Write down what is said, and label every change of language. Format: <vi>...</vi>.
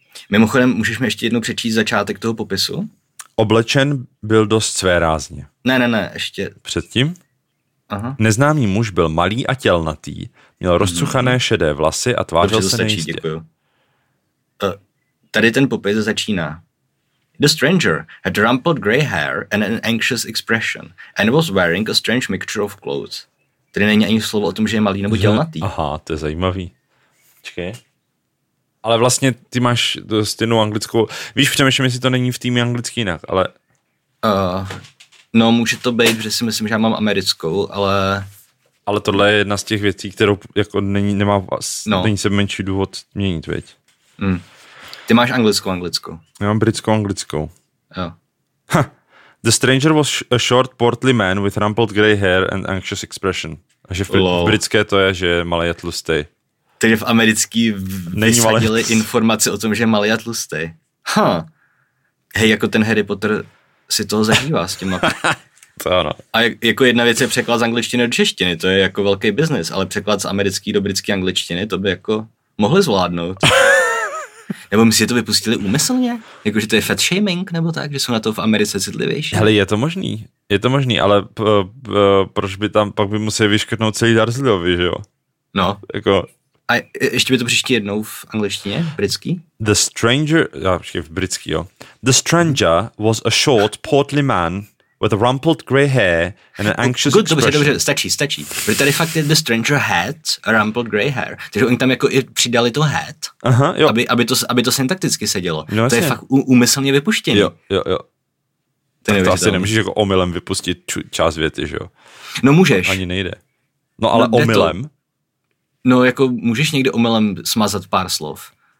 <cs>Mimochodem, můžeš mi ještě jednou přečíst začátek toho popisu? Oblečen byl dost svérázně. Ne, ještě. Předtím? Aha. Neznámý muž byl malý a tělnatý, měl rozcuchané šedé vlasy a tvářil se nejistě. Dobře, to stačí, děkuju. Tady ten popis začíná.</cs> <en>The stranger had rumpled grey hair and an anxious expression and was wearing a strange mixture of clothes.</en> <cs>Tady není ani slovo o tom, že je malý nebo tělnatý. Aha, to je zajímavý. Počkej. Ale vlastně ty máš stejnou anglickou. Víš, přemýšlím, jestli to není v týmu anglicky jinak, ale... No, může to být, protože si myslím, že já mám americkou, ale... Ale tohle je jedna z těch věcí, kterou jako nemá vás. No. Není se menší důvod měnit, viď? Ty máš anglickou. Já mám britskou anglickou. Jo.</cs> <en>The stranger was a short, portly man with rumpled grey hair and anxious expression.</en> <cs>A že v britské to je, že je malej a tlustej. Takže v americký vysadili informace o tom, že je malý a tlustý. Huh. hej, jako ten Harry Potter si toho zažívá s těma. To ano. A jako jedna věc je překlad z angličtiny do češtiny, to je jako velký biznis, ale překlad z americký do britský angličtiny, to by jako mohli zvládnout. Nebo my si to vypustili úmyslně? Jako, že to je fat shaming, nebo tak, že jsou na to v Americe citlivější? Hele, je to možný. Je to možný, ale proč by tam, pak by museli vyškrtnout celý Dursleyovi, že jo? No. Jako... A ještě by to přišli jednou v angličtině, britský? The stranger, já počkej, v britský, jo.</cs> <en>The stranger was a short, portly man with a rumpled grey hair and an anxious good, expression.</en> <cs>Dobře, dobře, stačí, stačí. Protože tady fakt je the stranger had a rumpled grey hair. Takže oni tam jako i přidali to had, aha, jo. Aby to syntakticky sedělo. No, to je fakt úmyslně vypuštěný. Jo, jo, jo. To asi nemůžeš jako omylem vypustit část věty, že jo? No můžeš. Ani nejde. No ale no, omylem? To. No jako můžeš někdy omylem smazat pár slov.</cs>